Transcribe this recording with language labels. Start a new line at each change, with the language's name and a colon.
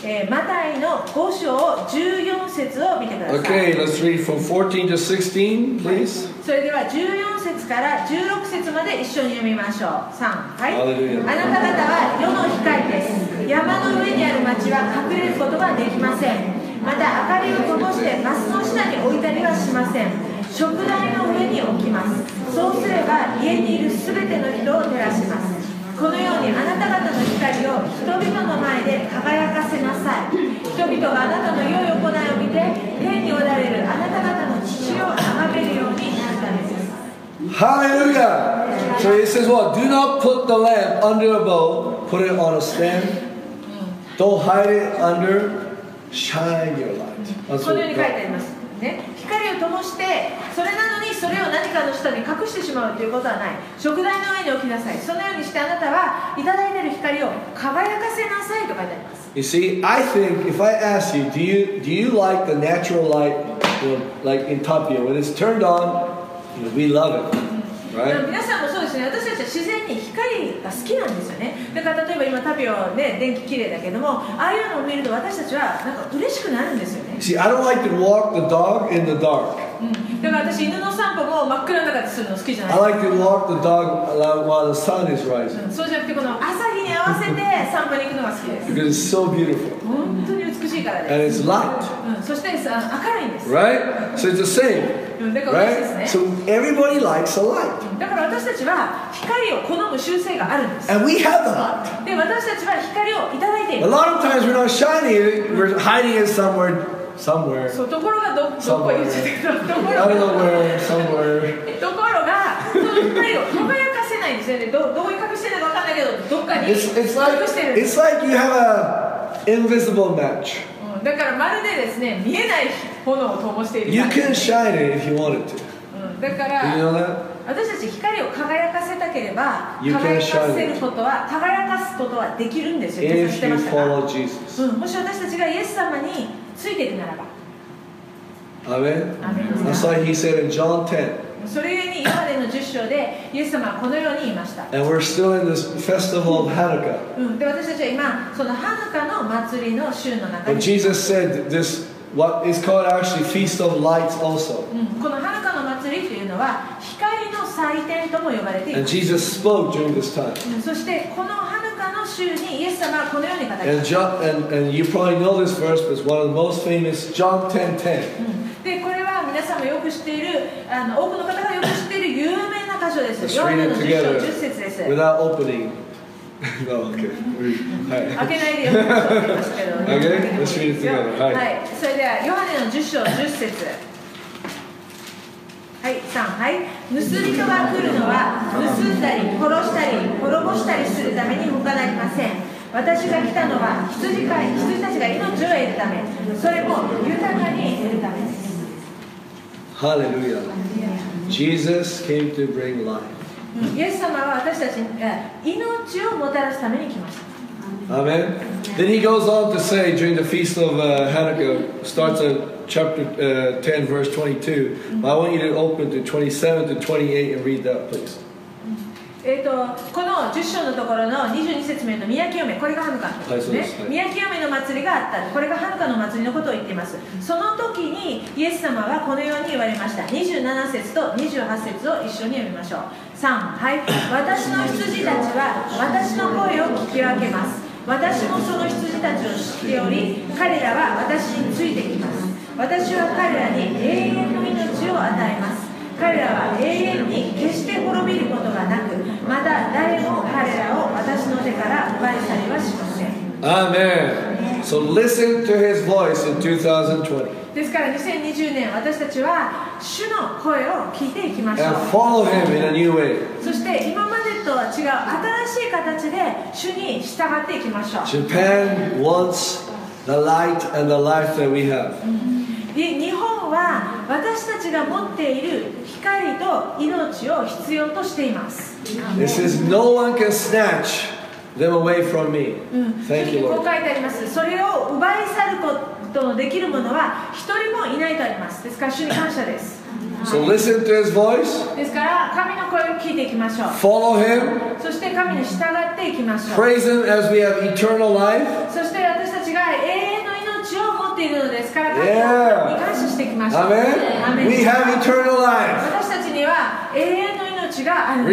Japanese: マタイの5章14節を見てください。
English: Okay, let's read from 14 to 16, please.
Japanese: それでは14節から16節まで一緒に読みましょう。 3、はい。
English: Hallelujah.
Japanese: あなた方は世の光です。山の上にある町は隠れることができません。また明かりをともしてマスの下に置いたりはしません。燭台の上に置きます。そうすれば家にいるすべての人を照らします。このようにあなた方の光を人々の前で輝かせなさい。人々があなたの良い行いを見て、天におられるあなた方の父を崇めるようになったのです。
English: Hallelujah! So he says what? Do not put the lamp under a bowl, put it on a stand. Don't hide it under, shine your light.
Japanese: このように書いてあります。ね、光を灯して、それなのにそれを何かの下に隠してしまうということはない。食材の上に置きなさい。そのようにしてあなたはいただいている光を輝かせなさいと書いてあります。
English: You see, I think if I ask you, do you like the natural light, you know, like in Tokyo, when it's turned on, you know, we love it. Right?
Japanese: 皆さんもそうですね。私たちは自然に光が好きなんですよね。だから例えば今タピオね電気綺麗だけども、ああいうのを見ると私たちはなんか嬉しくなるんですよね。
English: See, I don't like to walk the dog in the dark.
Japanese: だから私犬の散歩も真っ暗の中でするの好きじゃない。
English: I like to walk the dog while the sun is rising.
Japanese: そうじゃなくてこの朝日に合わせて散歩に行くのが好きです。
English: Because it's so beautiful.
Japanese: 本当に美しいからです。
English: And it's light.
Japanese: そして明るいんです。
English: Right? So it's the same. Right? So everybody likes a light.
Japanese: だから私たちは光を好む習性があるんです。
English: And we have the light.
Japanese: で、私たちは光をいただいている。
English: A lot of times we're not shining, we're hiding it somewhere.
Japanese: そう、ところがどこ
English: I don't know where, somewhere.
Japanese: ところが、その光を輝かせないんですよね。どういう隠してるのかわかんないけど、どっかに隠してるんです。
English: It's like you have an invisible match.
Japanese: だからまるでですね、見えない炎を灯している。
English: You can shine it if you wanted to.
Japanese: だから、
English: you know that?
Japanese: 私たち光を輝かせたければ、輝かせることは、輝かすことはできるんですよ。
English: If you follow Jesus.
Japanese: もし私たちがイエス様についていくならば。
English: Amen. That's why he said in John 10.
Japanese: それゆえに、今での10章で、イエス様はこのように言いました。
English: And we're still in this festival of Hanukkah.
Japanese: で、私たちは今、そのハヌカの祭りの週の中に。
English: But Jesus said this, what is called actually Feast of Lights also.
Japanese: このハヌカの祭りというのは、光の祭典とも呼ばれています。
English: And Jesus spoke during this time.
Japanese: そして、このハヌカの週にイエス様はこのように語りました。
English: And you probably know this verse, but it's one of the most famous, John 10:10.
Japanese: で、これは皆さんもよく知っている、多くの方がよく知っている有名な箇所です。
English: Let's read it together,
Japanese: 10節です。
English: Without opening. No, okay.
Japanese: 開けないでよく知ってますけどね。
English: Okay? Let's read it together.
Japanese: はい。それでは、ヨハネの10章10節。はい、3。はい。盗人が来るのは、盗んだり、殺したり、滅ぼしたりするために他なりません。私が来たのは、羊たちが命を得るため、それも豊かに得るためです。
English: Hallelujah. Jesus came to bring life.
Japanese: イエス様は私たちに命をもたらすために来ました。
English: Amen. Then he goes on to say during the feast of Hanukkah, starts at chapter 10, verse 22. But I want you to open to 27 to 28 and read that, please.
Japanese: この10章のところの22節目の宮清め、これがハヌカですね。はい、そうですね。宮清めの祭りがあった。これがハヌカの祭りのことを言っています。その時にイエス様はこのように言われました。27節と28節を一緒に読みましょう。3、はい。私の羊たちは私の声を聞き分けます。私もその羊たちを知っており、彼らは私についてきます。私は彼らに永遠の命を与えます。彼らは永遠に決して滅びることがなく、また誰も彼らを私の手から奪い去りはしません。アーメン。
English: So listen to his voice in 2020.
Japanese: ですから2020年、私たちは主の声を聞いていきましょう。
English: And follow him in a new way.
Japanese: そして今までとは違う新しい形で主に従っていきましょう。
English: Japan wants the light and the life that we have.
Japanese: 日本は私たちが持っている光と命を必要としています。
English: This is no one can snatch. Them away from me. Thank you, Lord.
Japanese: こう書いてあります。それを奪い去ることのできるものは一人もいないとあります。ですから主に感謝です。
English: So listen to his voice.
Japanese: ですから神の声を聞いていきましょう。
English: Follow him.
Japanese: そして神に従っていきましょう。
English: Praise him as we have eternal life.
Japanese: そして私たちが永遠の命を持っているのですから神に感謝していきましょう。
English: Amen. We have eternal life.
Japanese: 私たちには永遠の命があります。